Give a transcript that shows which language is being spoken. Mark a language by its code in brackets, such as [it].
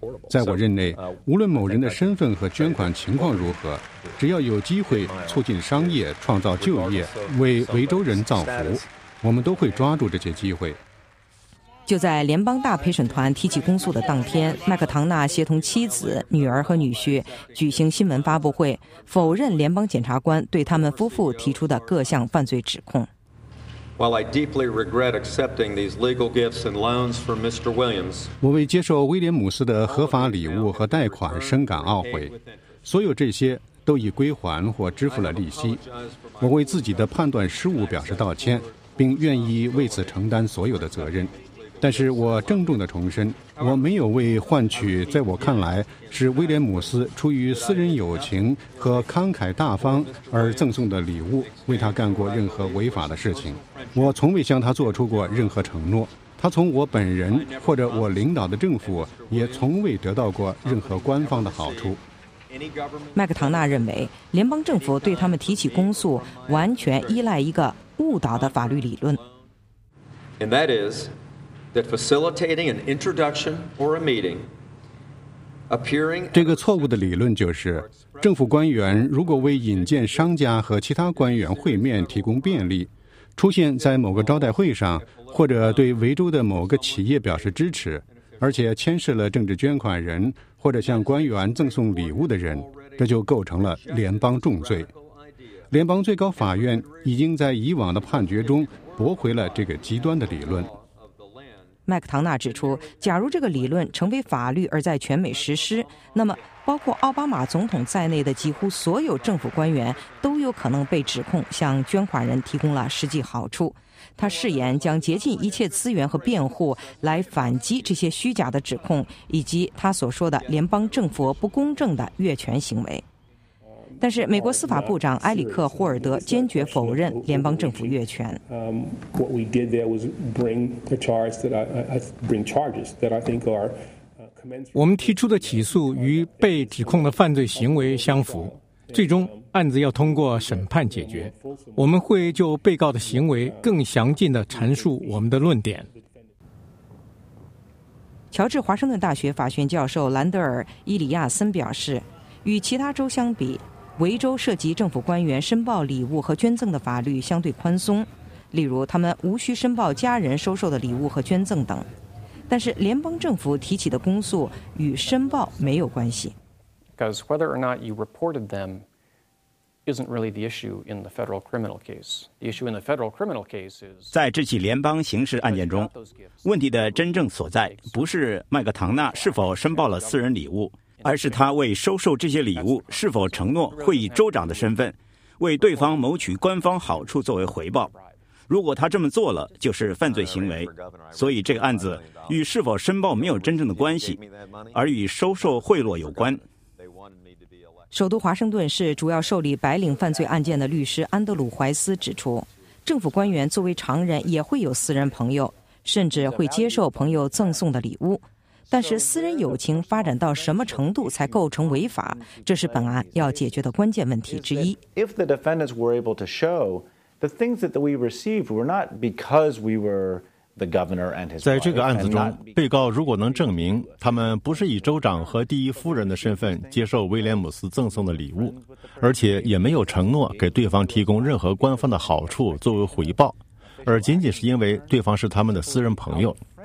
[zh] 在我任内，无论某人的身份和捐款情况如何，只要有机会促进商业、创造就业、为维州人造福，我们都会抓住这些机会。就在联邦大陪审团提起公诉的当天，麦克唐纳协同妻子、女儿和女婿举行新闻发布会，否认联邦检察官对他们夫妇提出的各项犯罪指控。 [en] While I deeply regret accepting these legal gifts and loans from Mr. Williams, [zh] 我为接受威廉姆斯的合法礼物和贷款深感懊悔。所有这些都已归还或支付了利息。我为自己的判断失误表示道歉，并愿意为此承担所有的责任。但是我郑重地重申，我没有为换取在我看来是威廉姆斯出于私人友情和慷慨大方而赠送的礼物为他干过任何违法的事情。我从未向他做出过任何承诺，他从我本人或者我领导的政府也从未得到过任何官方的好处。麦克唐纳认为，联邦政府对他们提起公诉完全依赖一个误导的法律理论。 [en] And that is... That facilitating an introduction or a meeting, appearing. [zh] 这个错误的理论就是，政府官员如果为引荐商家和其他官员会面提供便利，出现在某个招待会上，或者对维州的某个企业表示支持，而且牵涉了政治捐款人或者向官员赠送礼物的人，这就构成了联邦重罪。联邦最高法院已经在以往的判决中驳回了这个极端的理论。麦克唐纳指出，假如这个理论成为法律而在全美实施，那么包括奥巴马总统在内的几乎所有政府官员都有可能被指控向捐款人提供了实际好处。他誓言将竭尽一切资源和辩护来反击这些虚假的指控，以及他所说的联邦政府不公正的越权行为。但是，美国司法部长埃里克·霍尔德坚决否认联邦政府越权。 [en] What we did there was bring a charge that I bring charges that I think are commensurate. [zh] 我们提出的起诉与被指控的犯罪行为相符，最终案子要通过审判解决。我们会就被告的行为更详尽地阐述我们的论点。乔治华盛顿大学法学教授兰德尔·伊里亚森表示，与其他州相比，维州涉及政府官员申报礼物和捐赠的法律相对宽松，例如他们无需申报家人收受的礼物和捐赠等。但是联邦政府提起的公诉与申报没有关系。 [en] Because whether or not you reported them isn't really the issue in the federal criminal case. The issue in the federal criminal case is [zh] 在这起联邦刑事案件中，问题的真正所在不是麦克唐纳是否申报了私人礼物。而是他为收受这些礼物是否承诺会以州长的身份为对方谋取官方好处作为回报。如果他这么做了，就是犯罪行为。所以这个案子与是否申报没有真正的关系，而与收受贿赂有关。首都华盛顿市主要受理白领犯罪案件的律师安德鲁·怀斯指出，政府官员作为常人也会有私人朋友，甚至会接受朋友赠送的礼物。但是私人友情发展到什么程度才构成违法，这是本案要解决的关键问题之一。 [en] If the defendants were able to show the things that we received were not because we were the governor and his wife. [zh] 在这个案子中，被告如果能证明他们不是以州长和第一夫人的身份接受威廉姆斯赠送的礼物，而且也没有承诺给对方提供任何官方的好处作为回报，而仅仅是因为对方是他们的私人朋友。